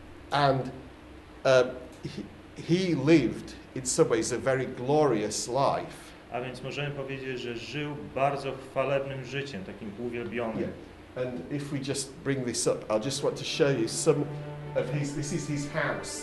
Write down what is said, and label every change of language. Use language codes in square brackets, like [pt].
[en] And he lived in some ways a very glorious life. [pl] A więc możemy powiedzieć, że żył bardzo chwalebnym życiem, takim uwielbionym. Yeah. [en] And if we just bring this up, I just want to show you some of his, this is his house.